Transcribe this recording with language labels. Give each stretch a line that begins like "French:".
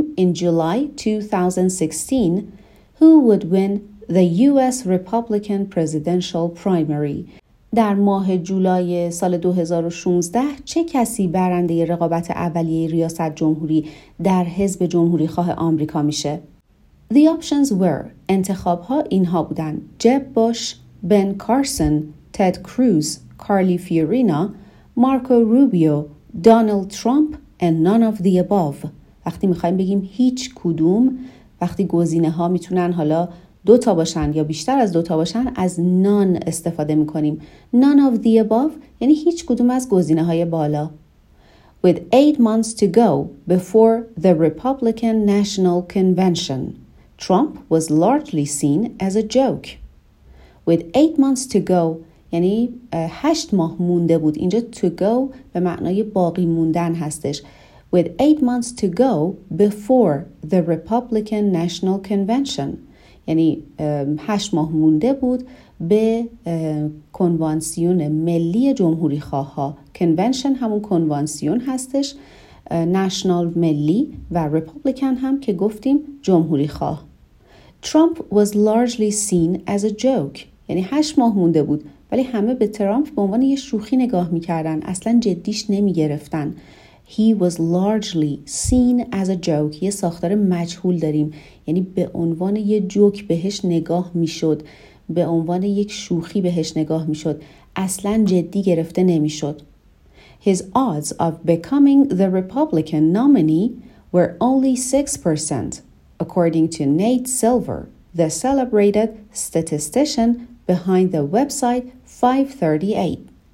English: In July 2016, who would win the US Republican presidential primary؟
Persian: در ماه جولای سال 2016 چه کسی برنده رقابت اولیه ریاست جمهوری در حزب جمهوری خواه آمریکا میشه؟
English: The options were،
Persian: انتخابها اینها بودن:
English: Jeb Bush, Ben Carson, Ted Cruz, Carly Fiorina, Marco Rubio, Donald Trump and none of the above.
Persian: وقتی میخواییم بگیم هیچ کدوم، وقتی گزینه ها میتونن حالا دو تا باشن یا بیشتر از دو تا باشن، از نان استفاده میکنیم.
English: None of the above
Persian: یعنی هیچ کدوم از گزینه های بالا.
English: With 8 months to go before the Republican National Convention, Trump was largely seen as a joke. With 8 months to go
Persian: یعنی 8 ماه مونده بود. اینجا to go به معنای باقی موندن هستش.
English: With 8 months to go before the Republican National Convention.
Persian: یعنی 8 ماه مونده بود به کنوانسیون ملی جمهوری خواه ها. Convention همون کنوانسیون هستش. National ملی و Republican هم که گفتیم جمهوری خواه.
English: Trump was largely seen as a joke.
Persian: یعنی 8 ماه مونده بود ولی همه به ترامپ به عنوان یه شوخی نگاه میکردن، اصلا جدیش نمیگرفتن.
English: He was largely seen as a joke.
Persian: یه ساختار مجهول داریم، یعنی به عنوان یه جوک بهش نگاه میشد، به عنوان یک شوخی بهش نگاه میشد، اصلا جدی گرفته نمیشد.
English: His odds of becoming the Republican nominee were only 6%, according to Nate Silver, the celebrated statistician behind the website 538.